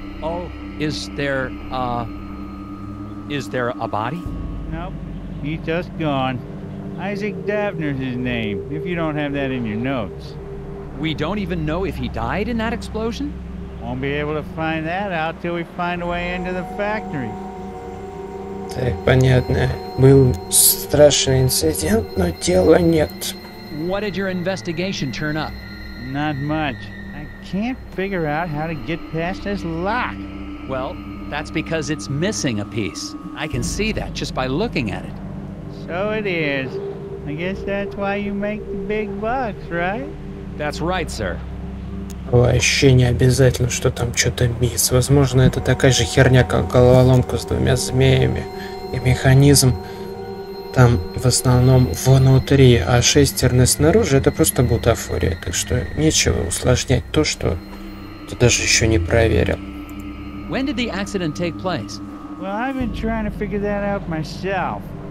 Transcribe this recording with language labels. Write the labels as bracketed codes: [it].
[en] Oh, is there a body? Nope, he's just gone. Isaac Dabner's his name, if you don't have that in your notes. We don't even know if he died in that explosion? Won't be able to find that out till we find a way into the factory. [ru] Так, понятно. Был страшный инцидент, но дела нет. [en] What did your investigation turn up? Not much. I can't figure out how to get past this lock. Well, that's because it's missing a piece. I can see that just by looking at it. So it is. I guess that's why you make the big bucks, right? That's right, sir. [ru] Вообще не обязательно, что там что-то мисс. Возможно, это такая же херня, как головоломка с двумя змеями. И механизм там в основном внутри, а шестерны снаружи — это просто бутафория. Так что нечего усложнять то, что ты даже еще не проверил. [en] When did the accident take place? Well, I've been trying to figure that out myself.